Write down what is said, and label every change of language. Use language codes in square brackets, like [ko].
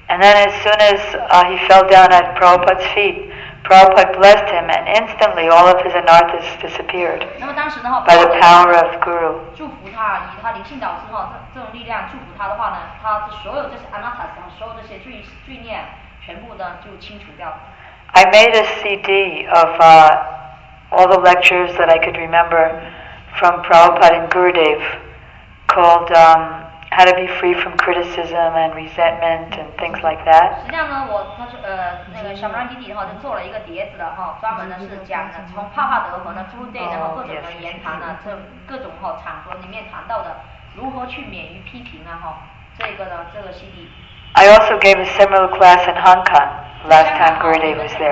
[en] And then as soon as he fell down at Prabhupada's feet, Prabhupada blessed him, and instantly all of his anarthas disappeared. [zh] 那么当时呢哈， [en] by the power of Guru. [zh] 祝福他，以他灵性导师哈这种力量祝福他的话呢，他所有这些 anarthas 所有这些罪孽全部呢就清除掉了。 [en] I made a CD of all the lectures that I could remember from Prabhupada and Gurudev called How to Be Free from Criticism and Resentment and things like that. [zh] 实际上呢，我他是那个小曼弟弟哈，就做了一个碟子的哈，专门呢是讲的从帕帕德和呢朱德然后各种的言谈呢，这各种哈场合里面谈到的如何去免于批评啊哈，这个呢这个 CD。 [en] I also gave a similar class in Hong Kong last time Gurudev was there.